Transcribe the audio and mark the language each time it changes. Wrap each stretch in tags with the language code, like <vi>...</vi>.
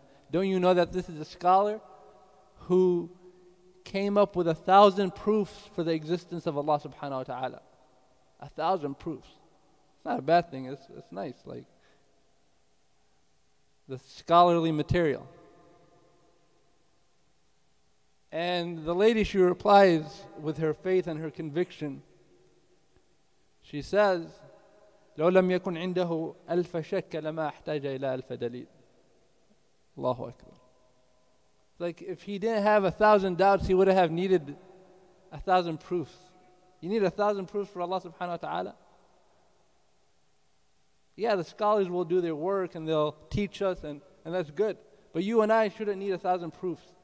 <en>Don't you know that this is a scholar who came up with 1,000 proofs for the existence of Allah subhanahu wa ta'ala? 1,000 proofs. It's not a bad thing, it's nice, like the scholarly material. And the lady, she replies with her faith and her conviction. She says,</en> <ar>لو لم يكن عنده ألف شك لما احتاج إلى ألف دليل. الله أكبر.</ar> <en>Like, if he didn't have 1,000 doubts, he would have needed 1,000 proofs. You need 1,000 proofs for Allah subhanahu wa ta'ala? Yeah, the scholars will do their work and they'll teach us, and that's good. But you and I shouldn't need 1,000 proofs.</en>